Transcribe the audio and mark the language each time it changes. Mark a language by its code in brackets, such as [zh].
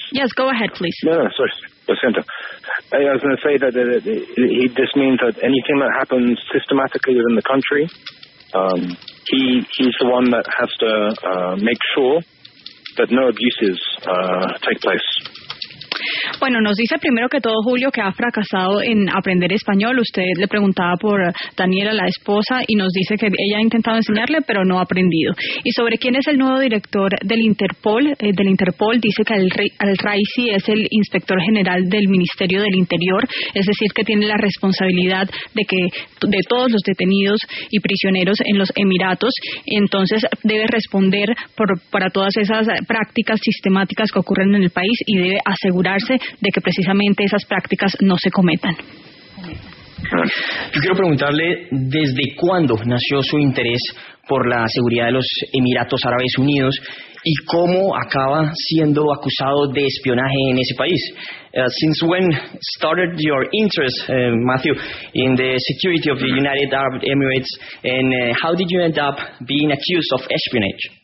[en] Yes, go ahead, please. I was going to say that this means that anything that happens systematically within the country, he's the one that has to make sure that no abuses take place. [es] Bueno, nos dice primero que todo, Julio, que ha fracasado en aprender español. Usted le preguntaba por Daniela, la esposa, y nos dice que ella ha intentado enseñarle, pero no ha aprendido. Y sobre quién es el nuevo director del Interpol, dice que el Raisi es el inspector general del Ministerio del Interior, es decir, que tiene la responsabilidad de todos los detenidos y prisioneros en los Emiratos. Entonces, debe responder para todas esas prácticas sistemáticas que ocurren en el país y debe asegurarse de que precisamente esas prácticas no se cometan. Yo quiero preguntarle, ¿desde cuándo nació su interés por la seguridad de los Emiratos Árabes Unidos y cómo acaba siendo acusado de espionaje en ese país? [en] Since when started your interest, Matthew, in the security of the United Arab Emirates, and how did you end up being accused of espionage?